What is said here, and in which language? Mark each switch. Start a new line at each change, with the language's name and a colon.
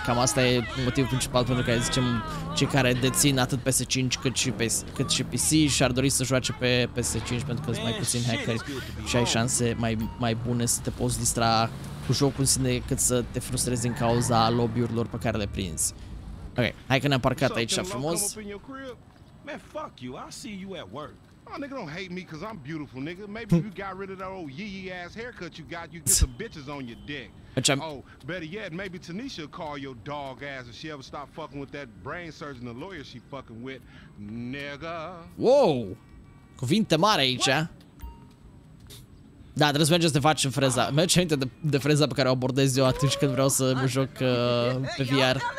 Romanian: Cam asta e motivul principal pentru care, zicem, cei care dețin atât PS5 cât și PC și-ar dori să joace pe PS5 pentru că sunt mai puțin hackeri și ai șanse mai bune să te poți distra cu jocul în sine cât să te frustrezi din cauza lobby-urilor pe care le prinzi. Ok, hai că ne-am parcat aici frumos.
English: Man, fuck you, I'll see you at work. Oh, nigga, don't hate me cuz I'm beautiful, nigga. Maybe you got rid of that old yee ass haircut you got. You get some bitches on your dick. Oh, better yet, maybe Tanisha call your dog ass if she ever stop fucking with that brain surgeon, the lawyer she fucking with, nigga.
Romanian: Whoa. Cuvinte mari aici. Da, trebuie să mergem să ne facem freza. Mergem înainte de freza pe care o abordez eu atunci când vreau să mă joc pe VR.